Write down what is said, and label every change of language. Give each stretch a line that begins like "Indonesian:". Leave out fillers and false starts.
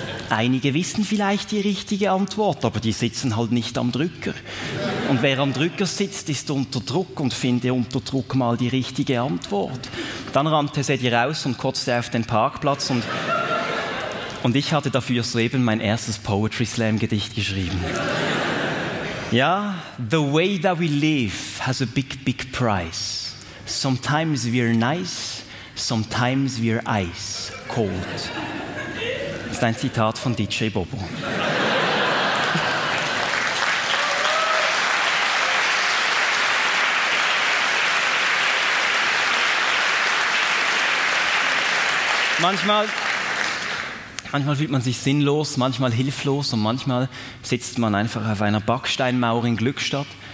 German: Einige wissen vielleicht die richtige Antwort, aber die sitzen halt nicht am Drücker. Und wer am Drücker sitzt, ist unter Druck und finde unter Druck mal die richtige Antwort. Dann rannte Sedi raus und kotzte auf den Parkplatz und ich hatte dafür soeben mein erstes Poetry Slam Gedicht geschrieben.
English: Ja, the way that we live has a big, big price. Sometimes we're nice, sometimes we're ice cold.
German: Das ist ein Zitat von DJ Bobo. Manchmal fühlt man sich sinnlos, manchmal hilflos und manchmal sitzt man einfach auf einer Backsteinmauer in Glückstadt.